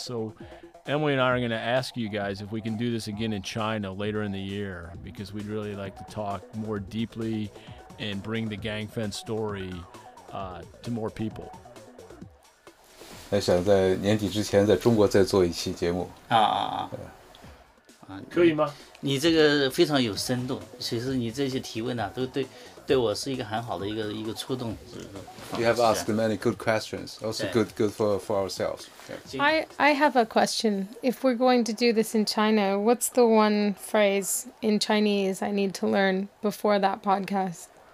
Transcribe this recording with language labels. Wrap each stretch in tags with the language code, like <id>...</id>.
<en>So Emily and I are going to ask you guys if we can do this again in China later in the year, because we'd really like to talk more deeply and bring the Gangfen story to more people.</en> <zh>还想在年底之前在中国再做一期节目啊，可以吗？你这个非常有深度，其实你这些提问呢、啊，都对我是一个很好的一个触动，是不是</zh> <en>？You have asked many good questions, also good for ourselves.、 Yeah. I have a question. If we're going to do this in China, what's the one phrase in Chinese I need to learn before that podcast?</en>